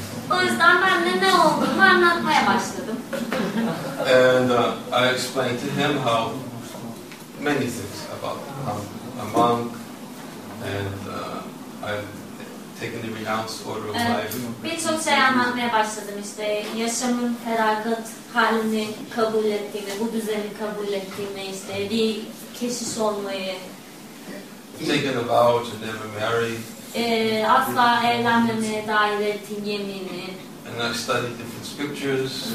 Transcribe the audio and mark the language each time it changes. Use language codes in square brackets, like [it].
[tr] O yüzden ben de ne olduğumu anlatmaya başladım. [en] And I explained to him how many things about how I'm a monk and I've taken the renounced order of life. [tr] Birçok şey anlatmaya başladım işte yaşamın feragat halini kabul ettiğimi, bu düzeni kabul ettiğimi işte bir keşiş olmayı. [en] Taken a vow to never marry. [tr] Asla evlenmemeye dair ettiğin yemini. [en] And I studied different scriptures.